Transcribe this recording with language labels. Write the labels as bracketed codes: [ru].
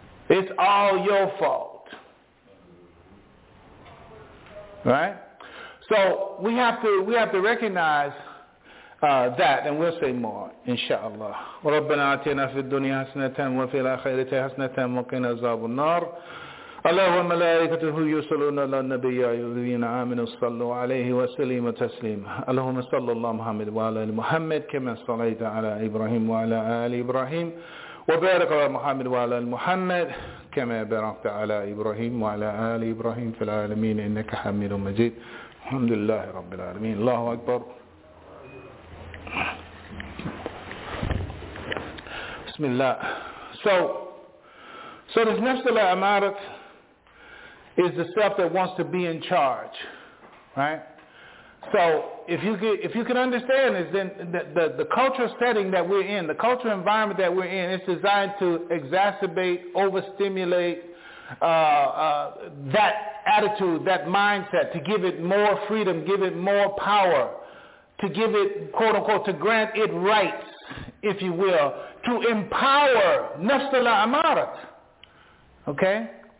[en] It's all your fault. Right? So we have to recognize that, and we'll say more, inshallah. [ar] رَبَّنَا عَتِيَنَا فِي الدُّنْيَا حَسْنَةً وَفِي الْآخِرَةِ حَسْنَةً وَقِنَا عَذَابَ النَّارِ اللهم ملائكته يصلون على النبي يا الذين آمنوا صلوا عليه وسلم تسليما اللهم صل على محمد وعلى محمد كما صليت على إبراهيم وعلى آل إبراهيم وبارك على محمد وعلى محمد كما باركت على إبراهيم وعلى آل إبراهيم في العالمين إنك حميد مجيد الحمد لله رب العالمين الله أكبر بسم الله [en] So this [ar] نفس الأمارة [en] is the self that wants to be in charge, right? So if you can understand this, then the culture setting that we're in, the culture environment that we're in, is designed to exacerbate, overstimulate that attitude, that mindset, to give it more freedom, give it more power, to give it, quote unquote, to grant it rights, if you will, to empower nafsul amarat, okay?